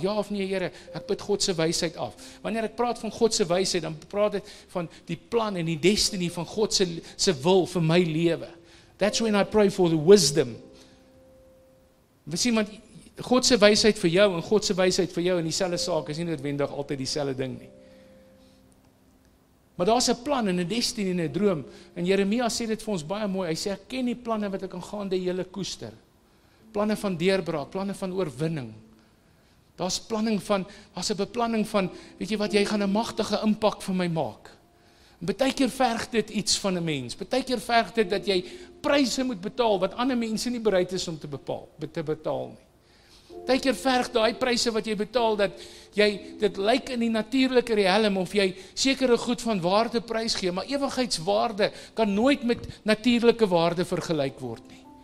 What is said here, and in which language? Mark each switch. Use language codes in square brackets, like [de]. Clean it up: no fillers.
[af] Ja of nee, Here, ek bid God se wysheid af. Wanneer ek praat van God se wysheid, dan praat ek van die plan en die destiny van God se wil vir my lewe. [en] That's when I pray for the wisdom. [af] Wees iemand, God se wysheid vir jou en God se wysheid vir jou in dieselfde saak is nie noodwendig altyd dieselfde ding nie. Maar daar is een plan en een destiny en een droom. En Jeremia sê dit vir ons baie mooi. Hy sê, ek ken die planne wat ek aangaande julle koester. Planne van deurbraak, planne van oorwinning. Daar is een beplanning van, weet jy wat, jy gaan een machtige impak vir my maak. Baie keer verg dit iets van een mens. Baie keer verg dit dat jy pryse moet betaal, wat ander mense nie bereid is om te betaal nie. Baie keer verg daai pryse wat jy betaal, dat jy, dit lyk in die natuurlike realm, of jy sekere goed van waarde prys gee, maar ewigheidswaarde kan nooit met natuurlike waarde vergelyk word nie.